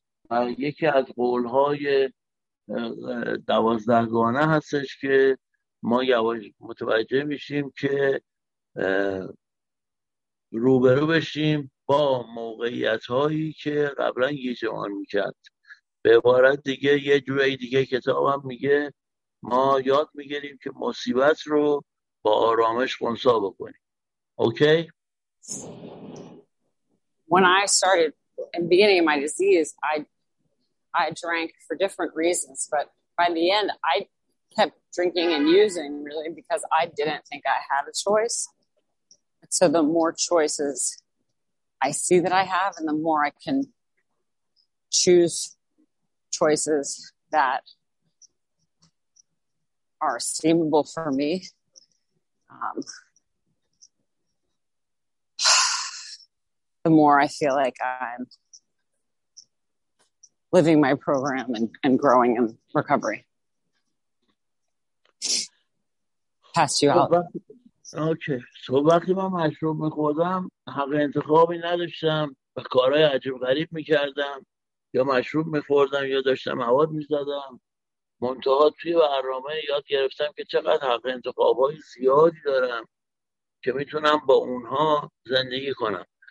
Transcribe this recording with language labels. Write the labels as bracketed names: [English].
[Persian] و یکی از قولهای 12 گانه هستش که ما یواش متوجه میشیم که روبرو بشیم با موقعیت هایی که قبلا گیجمان میکرد. به عبارت دیگه، یه جوری دیگه کتاب هم میگه ما یاد میگیریم که مصیبت رو با آرامش خونسا بکنیم. اوکی؟ [English] When I started in the beginning of my disease, I drank for different reasons, but by the end I kept drinking and using really because I didn't think I had a choice. So the more choices I see that I have, and the more I can choose choices that are esteemable for me, the more I feel like I'm living my program and growing in recovery. Pass you out. [Persian] اوکی. سو وقتی من مشروب میخوردم حق انتخابی نداشتم و کارهای عجیب غریب میکردم، یا مشروب میخوردم یا داشتم مواد میزدم. منتها توی برنامه یاد گرفتم که چقدر حق انتخابهای زیادی دارم که میتونم با اونها زندگی کنم.